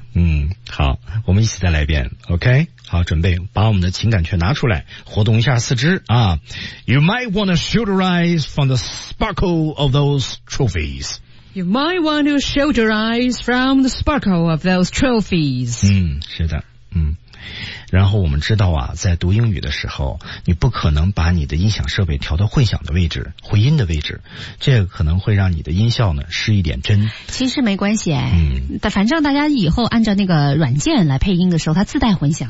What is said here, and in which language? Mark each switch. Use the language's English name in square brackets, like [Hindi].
[Chinese] 嗯，好，我们一起再来一遍。OK， 好，准备把我们的情感全拿出来，活动一下四肢啊。 [English] You might want to shield your eyes from the sparkle of those trophies You might want to shield your eyes from the sparkle of those trophies. [Chinese] 嗯，是的，嗯。然后我们知道啊，在读英语的时候，你不可能把你的音响设备调到混响的位置、回音的位置，这可能会让你的音效呢失一点真。其实没关系，嗯，但反正大家以后按照那个软件来配音的时候，它自带混响，